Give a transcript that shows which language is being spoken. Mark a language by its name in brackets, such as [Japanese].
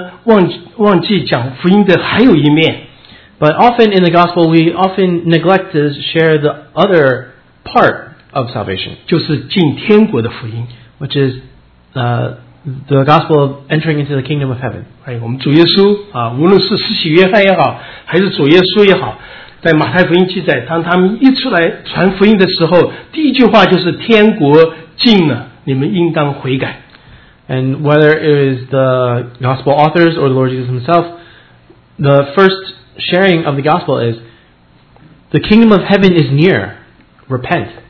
[Chinese] 但是我们在传福音常常忘记讲福音的还有一面。 [English] But often in the gospel, we often neglect to share the other part of salvation, [Chinese] 就是进天国的福音, [English] which is the gospel of entering into the kingdom of heaven. [Chinese] 我们主耶稣, 无论是施洗约翰也好, 还是主耶稣也好, 在马太福音记载，当他们一出来传福音的时候， 第一句话就是天国近了，你们应当悔改。 [English] And whether it is the gospel authors or the Lord Jesus himself, the first sharing of the gospel is, the kingdom of heaven is near, repent.